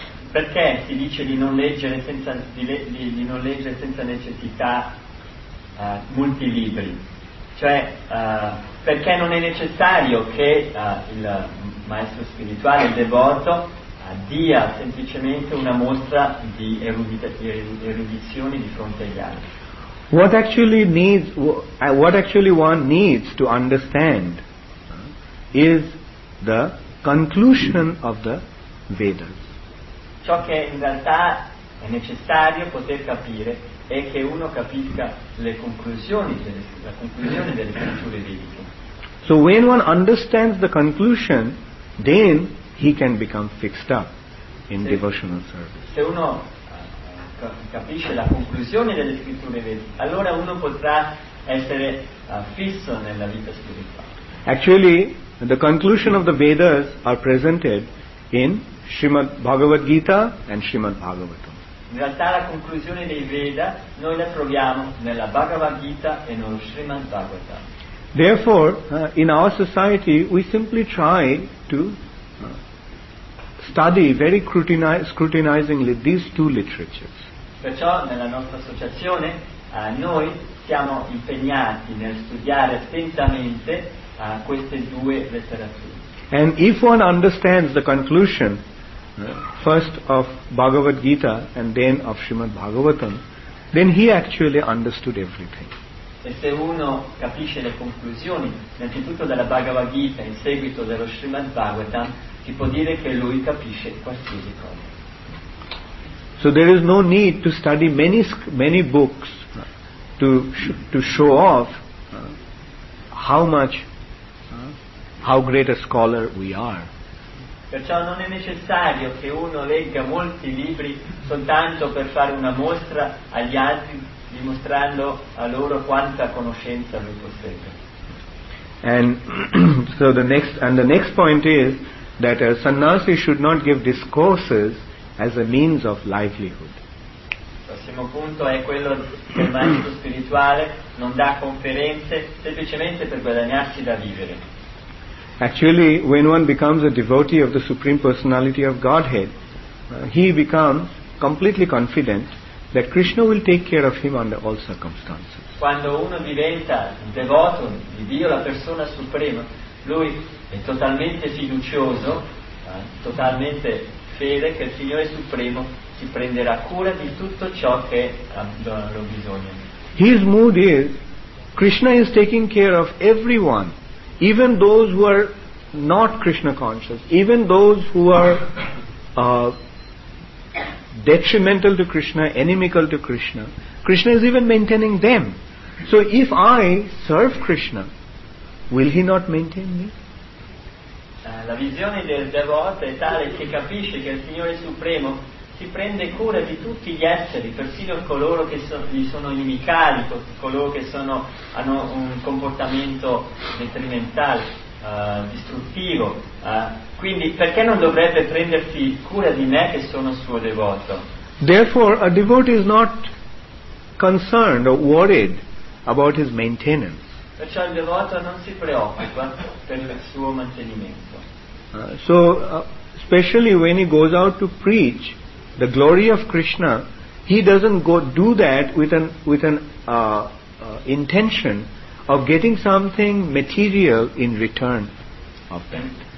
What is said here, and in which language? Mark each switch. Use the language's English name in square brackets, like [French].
[Italian] Perché si dice di non leggere senza di non leggere senza necessità molti libri? Cioè, perché non è necessario che il maestro spirituale, il devoto, dia semplicemente una mostra di erudizione di fronte agli altri. [English] What actually one needs to understand is the conclusion of the Vedas. [Italian] Ciò che in realtà è necessario poter capire è che uno capisca le conclusioni, la conclusione delle scritture vediche. [English] So when one understands the conclusion, then he can become fixed up in devotional service. [Italian] Se uno capisce la conclusione delle scritture vediche, allora uno potrà essere fisso nella vita spirituale. [English] Actually, the conclusion of the Vedas are presented in Srimad Bhagavad Gita and Srimad Bhagavatam. [Italian] In realtà la conclusione dei Veda noi la troviamo nella Bhagavad Gita e nello Srimad Bhagavatam. [English] Therefore, in our society we simply try to study very scrutinizingly these two literatures. [Italian] Perciò nella nostra associazione noi siamo impegnati nel studiare attentamente queste due letterature. [English] And if one understands the conclusion first of Bhagavad Gita and then of Srimad Bhagavatam, then he actually understood everything. [Italian] E se uno capisce le conclusioni innanzitutto della Bhagavad Gita in seguito dello Srimad Bhagavatam, si può dire che lui capisce qualsiasi cosa. [English] So there is no need to study many books to show off how great a scholar we are. [Italian] Perciò non è necessario che uno legga molti libri soltanto per fare una mostra agli altri, dimostrando a loro quanta conoscenza lui possiede. [English] And so the next point is that a sannyasi should not give discourses as a means of livelihood. [Italian] Il prossimo punto è quello che il maestro spirituale non dà conferenze semplicemente per guadagnarsi da vivere. [English] Actually, when one becomes a devotee of the Supreme Personality of Godhead, he becomes completely confident that Krishna will take care of him under all circumstances. [Italian] Quando uno diventa un devoto di Dio, la persona suprema, lui è totalmente fiducioso, totalmente fede che il Signore Supremo si prenderà cura di tutto ciò che lo bisogna. [English] His mood is, Krishna is taking care of everyone, even those who are not Krishna conscious, even those who are detrimental to Krishna, inimical to Krishna. Krishna is even maintaining them. So if I serve Krishna, will he not maintain me? [Italian] La visione del devoto è tale che capisce che il Signore Supremo si prende cura di tutti gli esseri, persino coloro che gli sono inimicali, coloro che hanno un comportamento detrimentale, distruttivo. Quindi perché non dovrebbe prendersi cura di me che sono suo devoto? [English] Therefore a devotee is not concerned or worried about his maintenance. [Italian] Perciò il devoto non si preoccupa per il suo mantenimento. [English] Especially when he goes out to preach the glory of Krishna, he doesn't go do that with an intention of getting something material in return of that.